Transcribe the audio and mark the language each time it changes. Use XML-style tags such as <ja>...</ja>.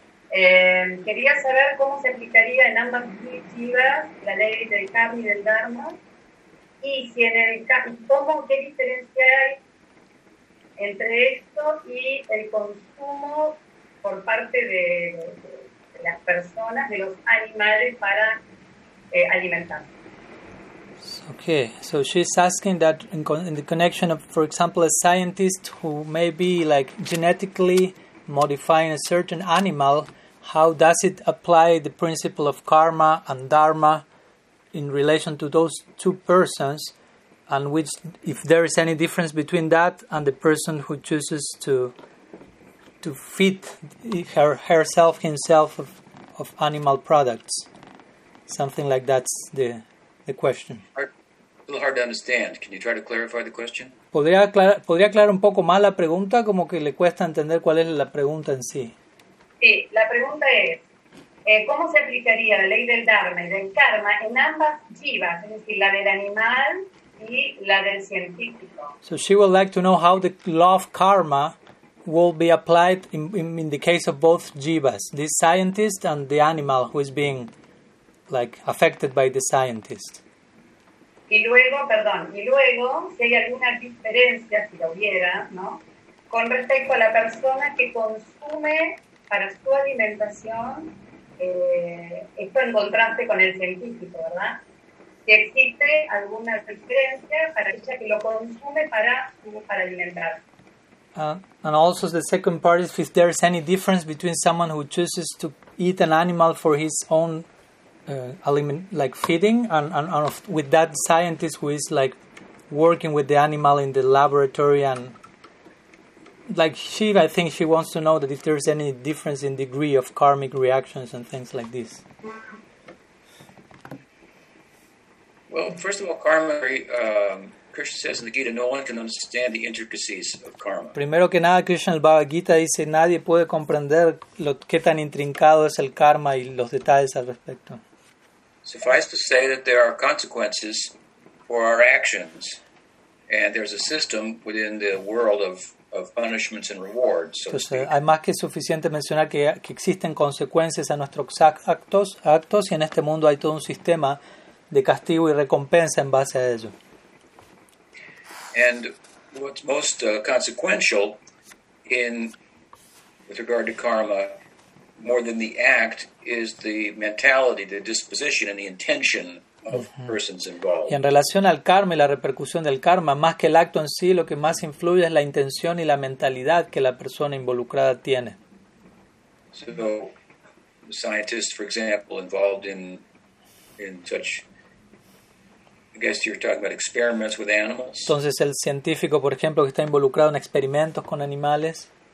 <es>Quería saber cómo se aplicaría en ambas perspectivas la ley del karma y del dharma, y si en el cómo, qué diferencia hay entre esto y el consumo por parte de las personas, de los animales para alimentar.</es> <en>Okay, so she's asking that in the connection of, for example, a scientist who may be like genetically modifying a certain animal, how does it apply the principle of karma and dharma in relation to those two persons, and which, if there is any difference between that and the person who chooses to feed herself, himself of animal products. Something like that's the question. A little hard to understand. Can you try to clarify the question?</en> <es>Podría aclarar un poco más la pregunta, como que le cuesta entender cuál es la pregunta en sí. Sí, la pregunta es cómo se aplicaría la ley del dharma y del karma en ambas jivas, es decir, la del animal y la del científico.</es> <en>So she would like to know how the law of karma will be applied in the case of both jivas, the scientist and the animal who is being like affected by the scientist.</en> <es>Y luego, si hay alguna diferencia, si lo hubiera, ¿no? Con respecto a la persona que consume para su alimentación, esto en contraste con el científico, ¿verdad? Si existe alguna diferencia para ella que lo consume para alimentar.</es> <en>And also the second part is if there's any difference between someone who chooses to eat an animal for his own feeding, and with that scientist who is like working with the animal in the laboratory, and like she, I think she wants to know that if there's any difference in degree of karmic reactions and things like this. Well, first of all, karma, Krishna says in the Gita, no one can understand the intricacies of karma.</en> <es>Primero que nada, Krishna el Bhagavad Gita dice nadie puede comprender lo que tan intrincado es el karma y los detalles al respecto.</es> <en>Suffice to say that there are consequences for our actions, and there's a system within the world of punishments and rewards. So</en> <es>entonces, hay más que suficiente mencionar que existen consecuencias a nuestros actos, y en este mundo hay todo un sistema de castigo y recompensa en base a ello.</es> <en>And what's most consequential in with regard to karma, more than the act, is the mentality, the disposition, and the intention of persons involved.</en> <es>Y en relación al karma y la repercusión del karma, más que el acto en sí, lo que más influye es la intención y la mentalidad que la persona involucrada tiene.</es> <en>So, scientists, for example, involved in such, I guess you're talking about experiments with animals.</en> <es>Entonces, el científico, por ejemplo, que está involucrado en experimentos con animales,</es>